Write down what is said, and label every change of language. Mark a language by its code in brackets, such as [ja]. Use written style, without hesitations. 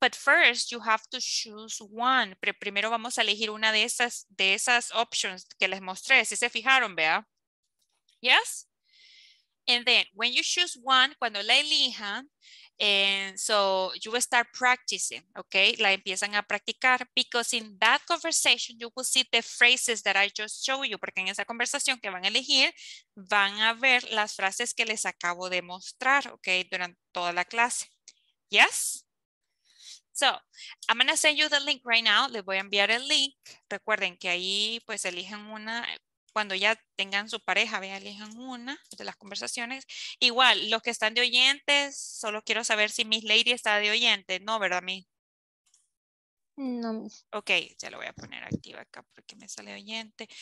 [en] But first, you have to choose one. [es] Pero primero vamos a elegir una de esas options que les mostré. Si se fijaron, vea. [en] Yes? And then, when you choose one, [es] cuando la elijan, [en] and so you will start practicing, okay? [es] La empiezan a practicar. [en] Because in that conversation, you will see the phrases that I just showed you. [es] Porque en esa conversación que van a elegir, van a ver las frases que les acabo de mostrar, okay? Durante toda la clase. Yes? [en] So, I'm gonna send you the link right now. [es] Les voy a enviar el link. Recuerden que ahí, pues, eligen una. Cuando ya tengan su pareja, vean, elijan una de las conversaciones. Igual, los que están de oyentes, solo quiero saber si Miss Lady está de oyente. No, ¿verdad, Miss? No. Ok, ya lo voy a poner activa acá porque me sale oyente.